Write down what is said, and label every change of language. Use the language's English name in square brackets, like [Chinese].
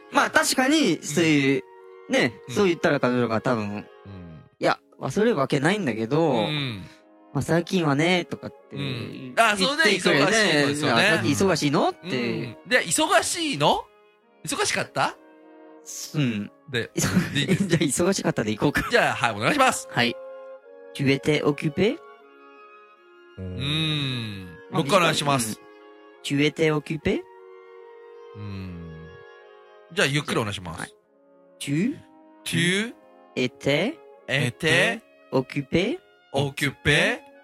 [Japanese] まあ確かにそういう、うん、ね、うん、そう言ったら彼女が多分、うん、いや忘れるわけないんだけど、うんまあ、最近はねとかって、うん、あそうね忙しいのそうね忙しいのって、うん、で忙しいの忙しかったうんでじゃあ忙しかったで行こうかじゃあはいお願いしますはい [French] Tu étais occupé? [Japanese] もう一回お願いします。 [French] Tu étais occupé? [Japanese] じゃあゆっくりお願いします。 [French] Tu étais occupé? Occupé?